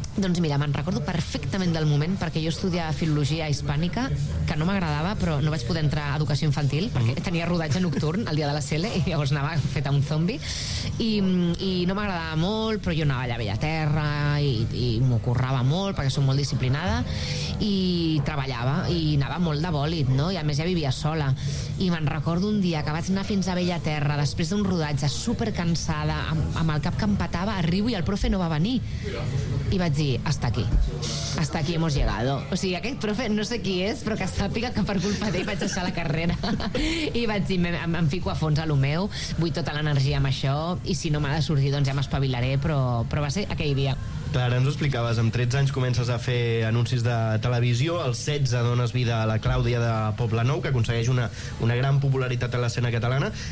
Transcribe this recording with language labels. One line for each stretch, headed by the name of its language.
Catalan: Doncs mira, me'n recordo perfectament del moment, perquè jo estudiava Filologia Hispànica, que no m'agradava, però no vaig poder entrar a Educació Infantil, perquè tenia rodatge nocturn el dia de la CL, i llavors anava feta un zombi, i no m'agradava molt, però jo anava allà a Bellaterra i m'ho currava molt, perquè soc molt disciplinada, i treballava, i anava molt de bòlit, no? I a més ja vivia sola. I me'n recordo un dia que vaig anar fins a Bellaterra després d'un rodatge supercansada, amb el cap que em petava, arribo i el profe no va venir. I vaig dir,
Spanish: hasta aquí hemos llegado.
Catalan: O sigui, aquest profe, no sé qui és, però que sàpiga que per culpa d'ell vaig deixar la carrera. I vaig dir, em fico a fons a lo meu, vull tota l'energia amb això, i si no m'ha de sortir, doncs ja m'espavilaré, però va ser aquell dia. Clar, ens ho explicaves, amb 13 anys comences a fer anuncis de televisió, als 16 dones vida a la Clàudia de Poblenou, que aconsegueix una gran popularitat a l'escena catalana.